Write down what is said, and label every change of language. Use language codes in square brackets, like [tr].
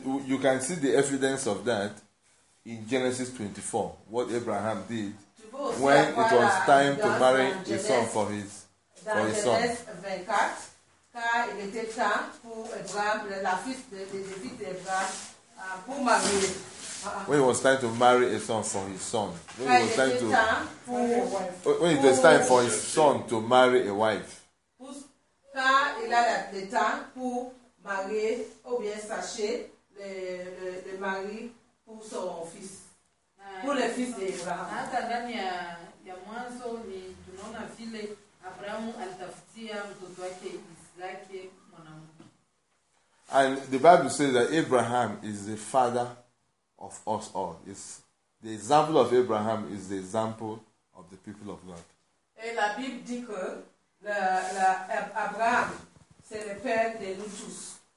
[en] And you can see the evidence of that in Genesis 24, what Abraham did when it was time to marry a son for his son. [fr] Genesis 24, car il était temps pour Abraham, la fille d'Abraham, pour marier. [en] When it was time to marry a son for his son. When it was time for his son to marry a wife. [fr] Car il a le temps pour marier ou bien sacher le mari pour son fils. Pour le fils d'Abraham. [sw] Hata ndani ya mwanzo ni tunaona vile Abraham alitafutia mtoto wake Isaki mwanamke. [en] And the Bible says that Abraham is the father of us all. It's the example of Abraham is the example of the people of God. [fr] Et la Bible dit que Abraham c'est le père de nous tous.